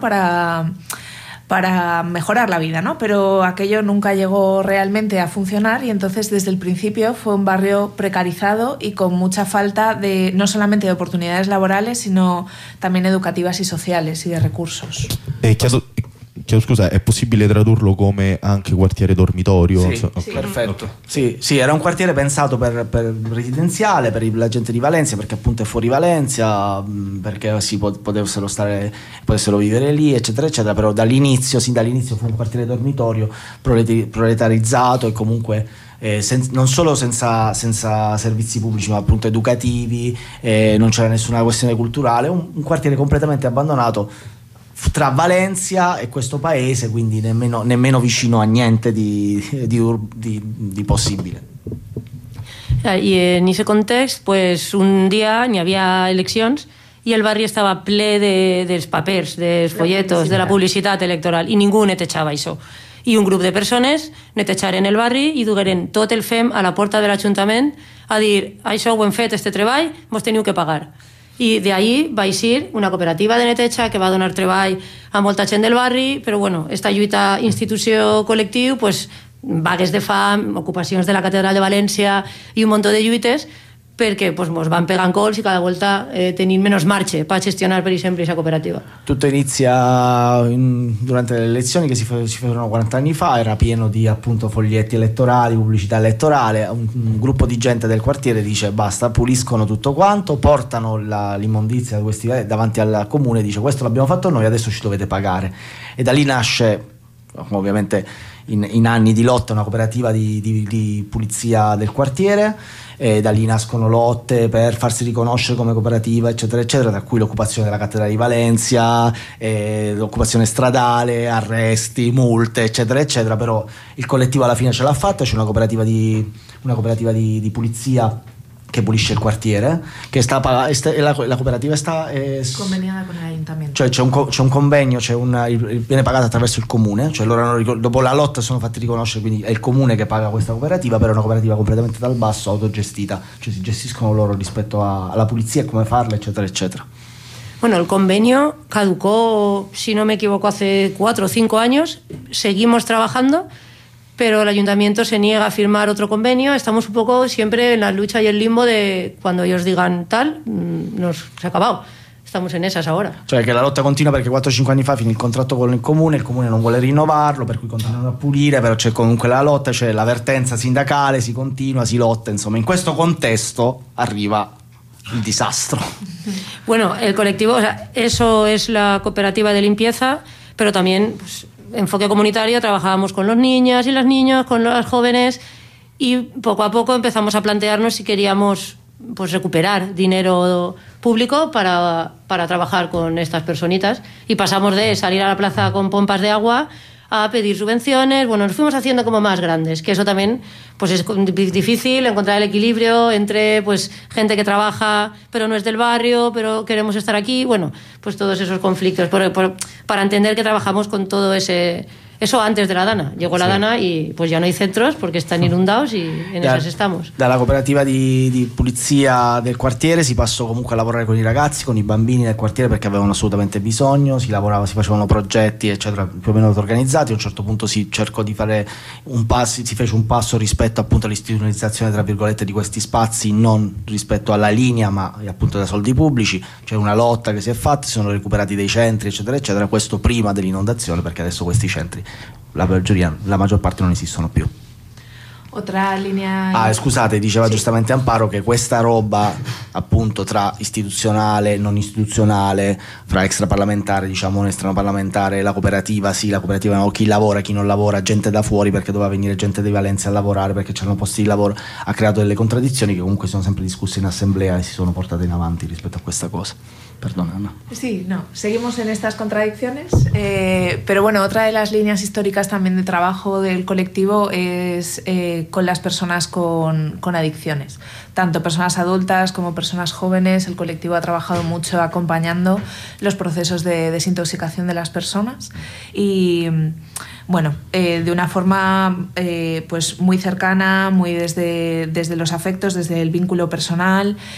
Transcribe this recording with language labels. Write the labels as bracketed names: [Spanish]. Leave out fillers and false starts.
[Spanish] Para mejorar la vida, ¿no? Pero aquello nunca llegó realmente a funcionar, y entonces desde el principio fue un barrio precarizado y con mucha falta de, no solamente de oportunidades laborales, sino también educativas y sociales y de recursos. [Italian] chiedo scusa, è possibile tradurlo come anche quartiere dormitorio? Sì, okay. Sì. Perfetto. Okay. Sì, sì, era un quartiere pensato per residenziale, per la gente di Valencia, perché appunto è fuori Valencia, perché si potessero stare, potessero vivere lì, eccetera, eccetera. Però dall'inizio, sin dall'inizio, fu un quartiere dormitorio proletarizzato e comunque. Non solo senza servizi pubblici, ma appunto educativi, non c'era nessuna questione culturale, un quartiere completamente abbandonato tra Valencia e questo paese, quindi nemmeno vicino a niente di possibile. [Spanish] Y en ese contexto, pues un día ni había elecciones y el barrio estaba [Catalan] ple de los papers, [Spanish] de los folletos, de la publicidad electoral y ningún te echaba eso. [Catalan] I un grup de persones netejaren el barri i dugueren tot el fem a la porta de l'Ajuntament a dir, això ho hem fet, este treball, vos teniu que pagar. I d'ahí va eixir una cooperativa de neteja que va donar treball a molta gent del barri, però bueno, esta lluita institució-col·lectiu, pues, vagues de fam, ocupacions de la Catedral de València i un montó de lluites, perquè pues, mos van pegant cols i cada volta tenim menys marge per gestionar, per exemple, aquesta cooperativa. [Italian] Tutto inizia durante le elezioni che si fecero 40 anni fa, era pieno di appunto foglietti elettorali, pubblicità elettorale, un gruppo di gente del quartiere dice basta, puliscono tutto quanto, portano l'immondizia questi davanti al comune, dice questo l'abbiamo fatto noi, adesso ci dovete pagare. E da lì nasce, ovviamente in anni di lotta, una cooperativa di pulizia del quartiere. E da lì nascono lotte per farsi riconoscere come cooperativa, eccetera, eccetera, tra cui l'occupazione della Cattedrale di Valencia, l'occupazione stradale, arresti, multe, eccetera, eccetera. Però il collettivo alla fine ce l'ha fatta, c'è una cooperativa di pulizia che pulisce il quartiere, che sta la cooperativa sta conveniata con l'Aintamento. Cioè c'è un convegno, viene pagata attraverso il comune, cioè loro dopo la lotta sono fatti riconoscere, quindi è il comune che paga questa cooperativa, però è una cooperativa completamente dal basso, autogestita, cioè si gestiscono loro rispetto alla pulizia, come farla, eccetera, eccetera. [Spanish] Bueno, el convenio caducó, si no me equivoco, hace 4 o 5 años, seguimos trabajando, pero el ayuntamiento se niega a firmar otro convenio. Estamos un poco siempre en la lucha y el limbo de cuando ellos digan tal, se ha acabado. Estamos en esas ahora. [Italian] Cioè che la lotta continua perché 4-5 anni fa finì il contratto con il comune non vuole rinnovarlo, per cui continuano a pulire, però c'è comunque la lotta, c'è l'avvertenza sindacale, si continua, si lotta, insomma, in questo contesto arriva il disastro. [Spanish] Bueno, el colectivo, o sea, eso es la cooperativa de limpieza, pero también pues, enfoque comunitario, trabajábamos con los niños y las niñas, con los jóvenes y poco a poco empezamos a plantearnos si queríamos pues recuperar dinero público para trabajar con estas personitas y pasamos de salir a la plaza con pompas de agua a pedir subvenciones, bueno, nos fuimos haciendo como más grandes, que eso también pues es difícil encontrar el equilibrio entre pues gente que trabaja pero no es del barrio, pero queremos estar aquí, bueno, pues todos esos conflictos para entender que trabajamos con todo ese. Eso antes de la Dana. Llegó la Dana y pues ya no hay centros porque están inundados y en esas estamos. [Italian] Dalla cooperativa di pulizia del quartiere si passò comunque a lavorare con i ragazzi, con i bambini del quartiere perché avevano assolutamente bisogno, si lavorava, si facevano progetti, eccetera, più o meno organizzati. A un certo punto si cercò di fare un passo, si fece un passo rispetto appunto all'istituzionalizzazione, tra virgolette, di questi spazi, non rispetto alla linea, ma appunto da soldi pubblici. C'è una lotta che si è fatta, si sono recuperati dei centri, eccetera, eccetera. Questo prima dell'inondazione, perché adesso questi centri, la maggior parte non esistono più. [Spanish] Otra linea. [Italian] Scusate, diceva sì. Giustamente Amparo che questa roba appunto tra istituzionale, non istituzionale, fra extraparlamentare, diciamo, non extraparlamentare, la cooperativa no, chi lavora, chi non lavora, gente da fuori perché doveva venire gente di Valencia a lavorare perché c'erano posti di lavoro, ha creato delle contraddizioni che comunque sono sempre discusse in assemblea e si sono portate in avanti rispetto a questa cosa. Perdona, Ana. [Spanish] Sí, no, seguimos en estas contradicciones, pero bueno, otra de las líneas históricas también de trabajo del colectivo es con las personas con adicciones, tanto personas adultas como personas jóvenes. El colectivo ha trabajado mucho acompañando los procesos de desintoxicación de las personas y bueno, de una forma pues muy cercana, muy desde los afectos, desde el vínculo personal,